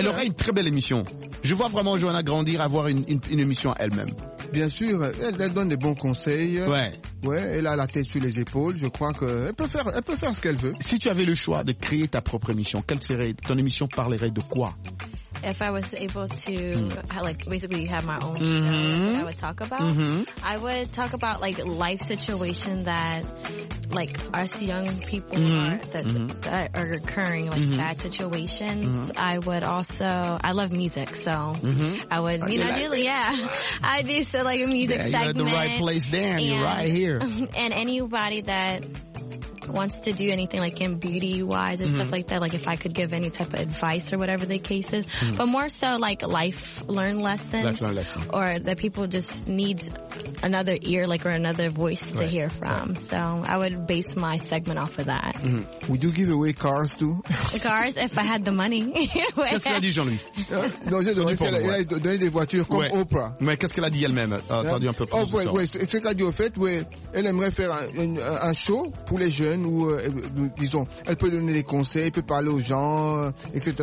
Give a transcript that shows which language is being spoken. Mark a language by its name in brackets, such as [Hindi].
[French] Elle aurait une très belle émission. Je vois vraiment Johanna grandir, avoir une émission à elle-même. Bien sûr, elle donne des bons conseils. Ouais. Ouais, elle a la tête sur les épaules. Je crois qu'elle peut faire ce qu'elle veut. Si tu avais le choix de créer ta propre émission, quelle serait ton émission, parlerait de quoi? [English] If I was able to, like, basically have my own show that I would talk about, I would talk about, like, life situation that, like, us young people are occurring, like, bad situations. Mm-hmm. I love music, so I would, you know, ideally, I'd be so, like, a music segment. You're at the right place, Dan. You're right here. And anybody that wants to do anything like in beauty wise and stuff like that, like if I could give any type of advice or whatever the case is, but more so like life learn lessons or that people just need another ear, like, or another voice to hear from. So I would base my segment off of that. We do give away cars too. Cars, if I had the money. [French] Qu'est-ce qu'elle a dit, Jean-Louis? Non, j'ai demandé qu'elle a donné des voitures comme Oprah. Mais qu'est-ce qu'elle a dit elle-même? Attendu un peu plus. Ce qu'elle a dit, au fait, elle aimerait faire un show pour les jeunes où, disons, elle peut donner des conseils, elle peut parler aux gens, etc.